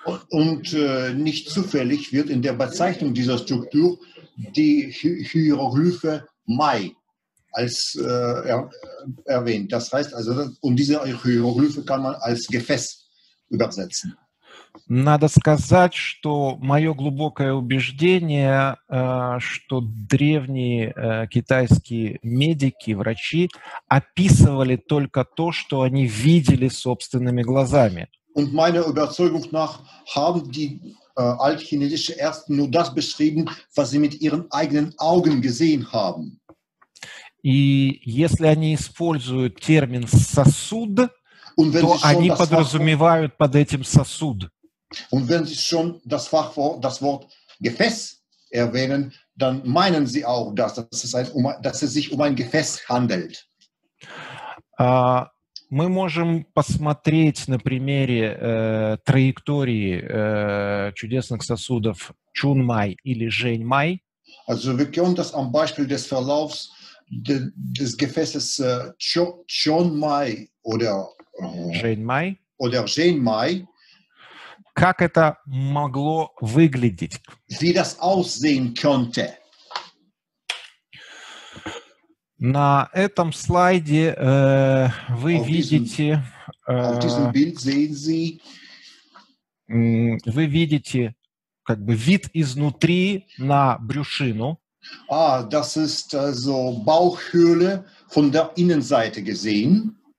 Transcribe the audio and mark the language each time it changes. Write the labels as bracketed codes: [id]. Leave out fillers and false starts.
[de] Und nicht zufällig wird in der Bezeichnung dieser Struktur die Hieroglyphe «май» als erwähnt. Das heißt also, und diese Hieroglyphe kann man als Gefäß übersetzen. [ru] Надо сказать, что мое глубокое убеждение, что древние китайские медики, врачи описывали только то, что они видели собственными глазами. [de] Und meiner Überzeugung nach haben die altchinesische Ärzte nur das beschrieben, was sie mit ihren eigenen Augen gesehen haben. [ru] И если они используют термин «сосуд», то они подразумевают под этим «сосуд». [de] Und wenn Sie schon das Wort Gefäß erwähnen, dann meinen Sie auch, dass es sich um ein Gefäß handelt. [ru] Мы можем посмотреть на примере траектории чудесных сосудов Чун Май или Жень Май. [de] Also wir können das am Beispiel des Verlaufs des Gefäßes Chun Mai oder [ru] Жень Май. [de] Oder Жень Май. [ru] Как это могло выглядеть? [de] Wie das aussehen könnte. [ru] На этом слайде вы видите [de] Auf diesem Bild sehen Sie, [ru] вы видите как бы вид изнутри на брюшину. [de] Das ist also Bauchhöhle von der Innenseite gesehen.